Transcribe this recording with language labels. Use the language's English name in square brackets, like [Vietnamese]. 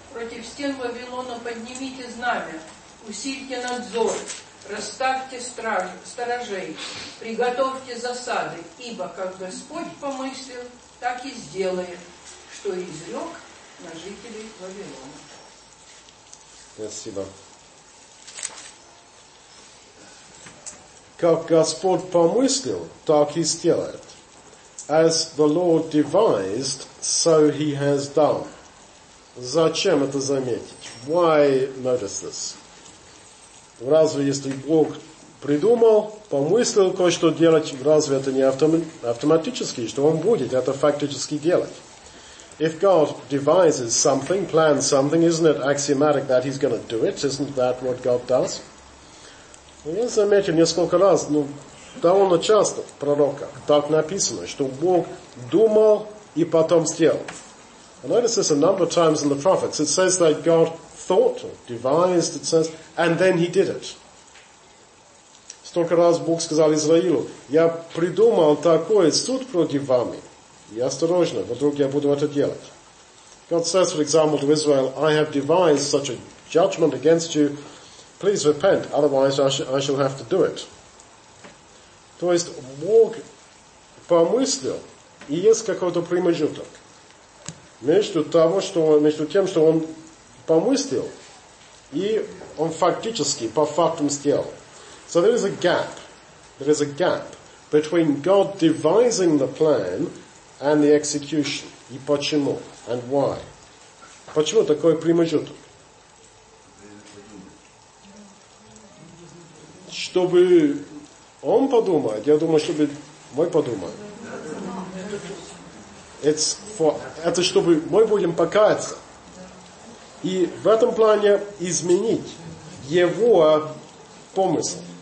[Russian] Против стен Вавилона поднимите знамя, усильте надзор, расставьте сторожей, приготовьте засады, ибо как Господь помыслил, так и сделает, что изрек на жителей Вавилона. Спасибо. Как Господь помыслил, так и сделает. [English] As the Lord devised, so he has done. [Russian] Зачем это заметить? [English] Why notice this? [Russian] Разве если Бог придумал, помыслил кое-что делать, разве это не автоматически, что он будет это фактически делать? [English] If God devises something, plans something, isn't it axiomatic that he's going to do it? Isn't that what God does? [Russian] Я заметил несколько раз, ну, довольно часто в пророках так написано, что Бог думал и потом сделал. [English] I notice this a number of times in the prophets. It says that God thought, or devised, it says, and then he did it. [Russian] Столько раз Бог сказал Израилю, я придумал такой суд против вами. И осторожно, вдруг я буду это делать. [English] God says, for example, to Israel, I have devised such a judgment against you. Please repent, otherwise I shall have to do it. [Russian] То есть, Бог помыслил, и есть какой-то промежуток. Между тем, что он помыслил, и он фактически, по фактам, сделал. [English] So there is a gap. There is a gap between God devising the plan and the execution. [Russian] И почему? [English] And why? [Russian] Почему такой промежуток? Чтобы он подумает, я думаю, чтобы мы подумаем. Это чтобы мы будем покаяться. И в этом плане изменить его помысл.